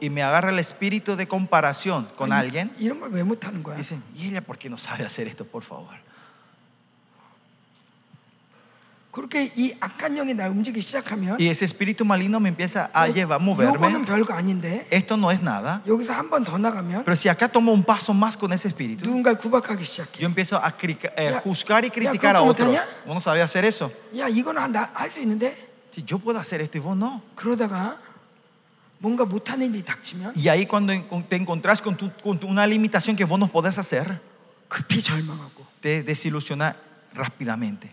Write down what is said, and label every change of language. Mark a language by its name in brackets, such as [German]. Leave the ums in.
[Spanish] y me agarra el espíritu de comparación con 아니, alguien. Dicen, ¿y ella por qué no sabe hacer esto, por favor? [Korean] 그렇게 이 악한 영이 나 움직이기 시작하면 [Spanish] ese espíritu maligno me empieza a 요, llevar a moverme. [Korean] 이건 별거 아닌데. [Spanish] Esto no es nada. [Korean] 여기서 한 번 더 나가면 [Spanish] Pero si acá tomo un paso más con ese espíritu. [Korean] 누군가 구박하기 시작해. [Spanish] Yo empiezo a crica, eh, 야, juzgar y criticar 야, a otros. [Korean] 못하냐? [Spanish] Vos no sabía hacer eso. [Korean] 야, 이건 안할수 있는데. [Spanish] Si yo puedo hacer esto y vos no. [Korean] 그러다가 뭔가 못하는 일이 닥치면 [Spanish] Y ahí cuando te encontrás con, tu, con tu, una limitación que vos no podés hacer. [Korean] 급히 절망하고 [Spanish] te desilusiona rápidamente.